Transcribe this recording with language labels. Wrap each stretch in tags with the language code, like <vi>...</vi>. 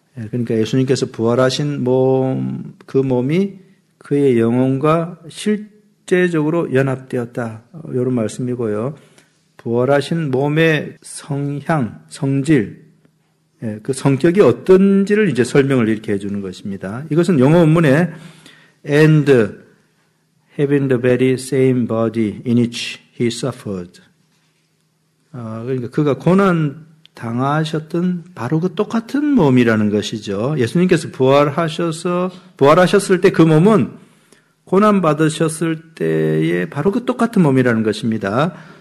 <ko>그러니까 예수님께서 부활하신 몸, 그 몸이 그의 영혼과 실제적으로 연합되었다. 이런 말씀이고요. 부활하신 몸의 성향, 성질, 그 성격이 어떤지를 이제 설명을 이렇게 해주는 것입니다. 이것은 영어 원문에</ko> <en>and having the very same body in which he suffered.</en> <ko>그러니까 그가 고난 당하셨던 바로 그 똑같은 몸이라는 것이죠. 예수님께서 부활하셨을 때 그 몸은 고난 받으셨을 때의 바로 그 똑같은 몸이라는 것입니다.</ko>